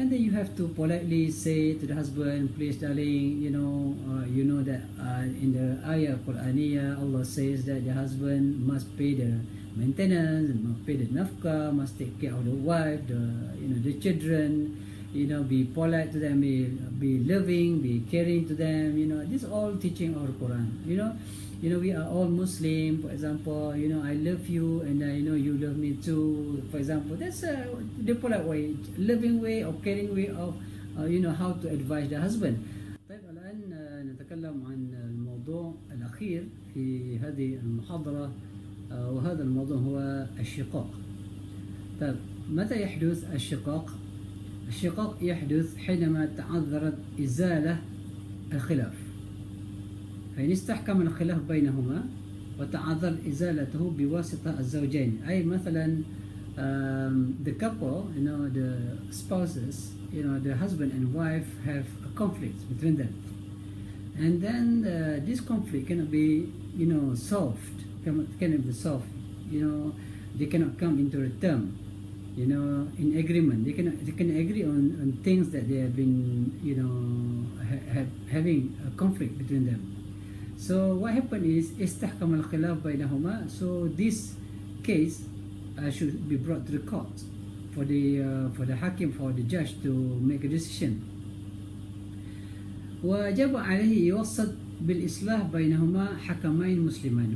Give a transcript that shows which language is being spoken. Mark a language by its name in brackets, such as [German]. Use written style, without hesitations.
[English] And then you have to politely say to the husband, please darling, you know that in the ayah Qur'aniyah, Allah says that the husband must pay the maintenance, must pay the nafkah, must take care of the wife, the, you know, the children, you know, be polite to them, be loving, be caring to them, you know, this is all teaching of the Qur'an, you know. You know, we are all Muslim, for example, you know, I love you and I know you love me too, for example. That's the polite way, loving way or caring way of, you know, how to advise the husband. [Arabic] طيب الآن نتكلم عن الموضوع الأخير في هذه المحاضرة وهذا الموضوع هو الشقاق. طيب متى يحدث الشقاق؟ الشقاق يحدث حينما تعذرت إزالة الخلاف. فإن استحكم الخلاف بينهما وتعذر إزالته بواسطة الزوجين. أي مثلا [English] the couple, you know, the spouses, you know, the husband and wife have a conflict between them. And then this conflict cannot be, you know, solved. Cannot be solved. You know, they cannot come into a term, you know, in agreement. They can agree on things that they have been, you know, having a conflict between them. So what happened is [Arabic] استحكم الخلاف بينهما. [English] So this case should be brought to the court for the hakim, for the judge to make a decision. [Arabic] وجب عليه يوصد بالإصلاح بينهما حكمين مسلمين.